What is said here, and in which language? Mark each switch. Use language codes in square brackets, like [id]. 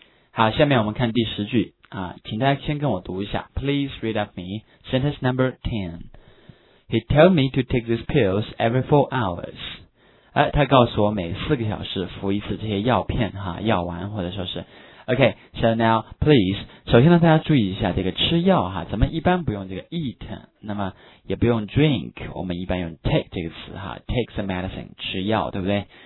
[zh] 好，下面我们看第十句啊，请大家先跟我读一下。 [en] Please read of me sentence number 10. He told me to take these pills every 4 hours. [zh] 哎，他告诉我每4个小时服一次这些药片哈，药丸或者说是。 [en] OK, so now please, [zh] 首先呢大家注意一下这个吃药哈，咱们一般不用这个 eat, 那么也不用 drink, 我们一般用 take 这个词哈， [en] take some medicine, [zh] 吃药对不对？